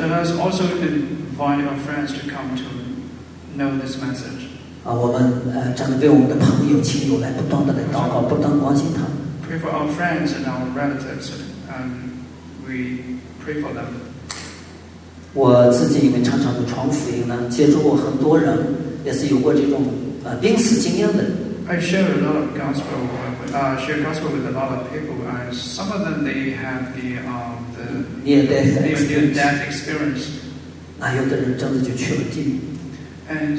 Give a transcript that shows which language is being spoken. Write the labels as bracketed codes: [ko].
[en] So let us also invite our friends to come to know this message. [zh] 我们这样为我们的朋友亲友来不断地来祷告，不断关心他。 [en] Pray for our friends and our relatives, and we pray for them. [zh] 我自己因为常常的传福音呢，接触过很多人，也是有过这种濒死经验的。 [en] I share a lot of gospel. Share gospel with a lot of people. And some of them they have the near-death experience. [zh] 那有的人真的就去了地狱。 [en] And